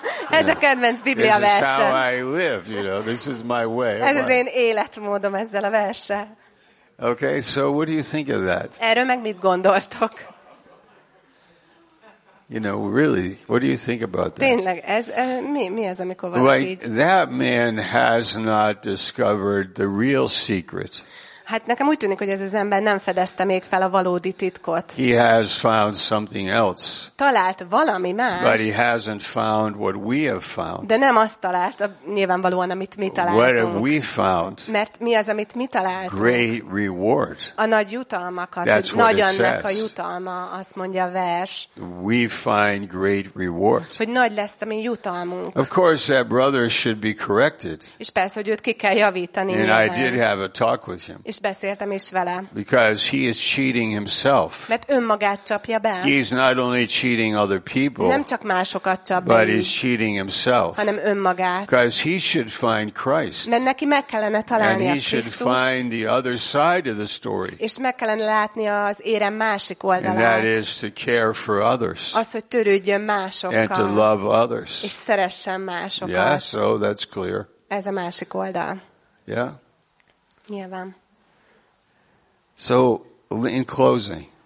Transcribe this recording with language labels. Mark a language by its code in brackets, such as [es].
[hu] Ez a kedvenc Biblia verse. [en] This is how I live, you know. This is my way. [hu] Ez az én életmódom ezzel a verse. [en] Okay, so what do you think of that? [hu] Erről meg mit gondoltok? [en] You know, really, what do you think about that? [hu] Tényleg, ez mi ez, amikor valaki [en] like, that man has not discovered the real secret. [hu] Hát nekem úgy tűnik, hogy ez az ember nem fedezte még fel a valódi titkot. [en] He has found something else. [hu] Talált valami más. [en] But he hasn't found what we have found. [hu] De nem azt talált, nyilvánvalóan, amit mi találtunk. [en] What have we found? [hu] Mert mi az, amit mi találtunk? [en] Great reward. [hu] A nagy jutalmakat. [en] That's [hu] nagy [en] what it [hu] annak [en] says. [hu] A jutalma, azt mondja a vers. [en] We find great reward. [hu] Hogy nagy lesz a mi jutalmunk. [en] Of course that brother should be corrected. [hu] És persze, hogy őt ki kell javítani. [en] And I did have a talk with him. [hu] És beszéltem is vele. [en] Because he is cheating himself. [hu] Mert önmagát csapja be. [en] He is not only cheating other people. [hu] Nem csak másokat csap be. [en] But he's cheating himself. [hu] Hanem önmagát. [en] Because he should find Christ. [hu] Mert neki meg kellene találni a Krisztust. [en] And he should find the other side of the story. [hu] És meg kellene látni az érem másik oldalát. [en] And that is to care for others. [hu] Az, hogy törődjön másokkal. [en] And to love others. [hu] És szeressen másokat. [en] Yeah, so that's clear. [hu] Ez a másik oldal. [en] Yeah. [hu] Nyilván. [en] So in closing.